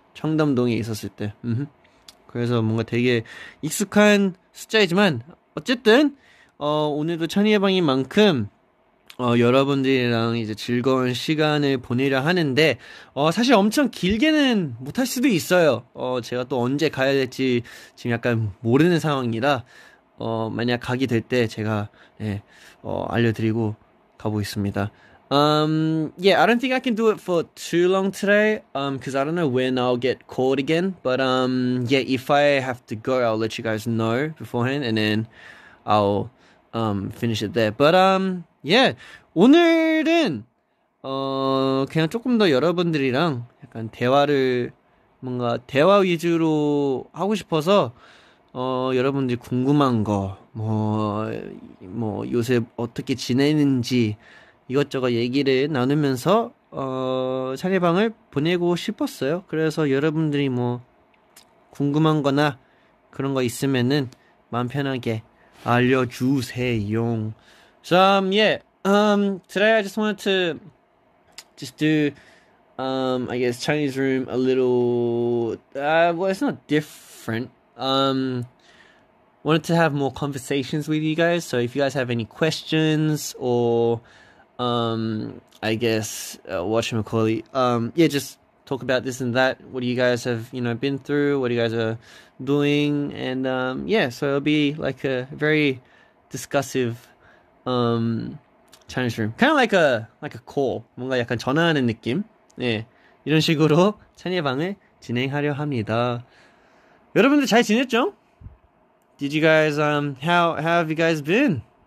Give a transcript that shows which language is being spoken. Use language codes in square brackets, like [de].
[ko] 청담동에 있었을 때. 그래서 뭔가 되게 익숙한 숫자이지만 어쨌든 오늘도 찬이의 방인 만큼 여러분들이랑 이제 즐거운 시간을 보내려 하는데 사실 엄청 길게는 못할 수도 있어요. 제가 또 언제 가야 될지 지금 약간 모르는 상황이라 만약 가게 될 때 제가 알려드리고 가보겠습니다. [en] Yeah, I don't think I can do it for too long today, because I don't know when I'll get called again. But yeah, if I have to go, I'll let you guys know beforehand, and then I'll finish it there. But yeah, [ko] 오늘은 그냥 조금 더 여러분들이랑 약간 대화를 뭔가 대화 위주로 하고 싶어서 여러분들이 궁금한 거, 뭐 요새 어떻게 지내는지 이것저것 얘기를 나누면서 상대방을 보내고 싶었어요. 그래서 여러분들이 뭐 궁금한 거나 그런 거 있으면은 마음 편하게 알려주세요. [en] So today I just wanted to just do I guess Chinese room a little well it's not different. Wanted to have more conversations with you guys. So if you guys have any questions or I guess whatchamacallit, yeah, just talk about this and that. What do you guys have, been through? What do you guys are doing? And yeah, so it'll be like a very discussive Chinese room, kind of like a call. [ko] 뭔가 약간 전화하는 느낌. 예, 이런 식으로 찬이의 방을 진행하려 합니다. 여러분들 잘 지냈죠? [en] Did you guys how have you guys been?